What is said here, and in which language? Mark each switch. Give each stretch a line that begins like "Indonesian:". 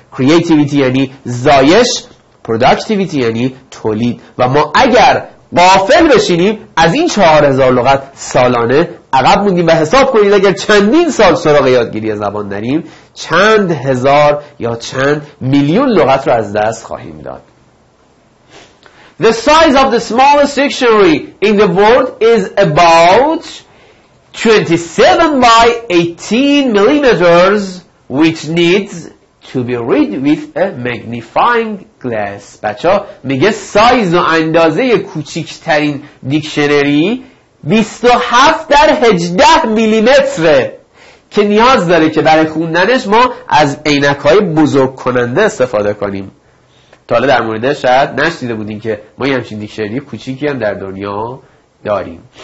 Persian: creativity یعنی زایش، productivity یعنی تولید. و ما اگر غافل بشینیم از این 4000 لغت سالانه عقب موندیم و حساب کنید اگر چندین سال سراغ یادگیری زبان داریم چند هزار یا چند میلیون لغت رو از دست خواهیم داد.
English: The size of the smallest dictionary in the world is about 27 by 18 millimeters which needs to be read with a magnifying glass.
Persian: بچه ها میگه سایز و اندازه کوچکترین دیکشنری 27 در 18 میلیمتره که نیاز داره که برای خوندنش ما از عینک های بزرگ کننده استفاده کنیم. تا حالا در مورد شاید نشنیده بودین که ما یه همچین دیکشنری کوچیکی هم در دنیا داریم.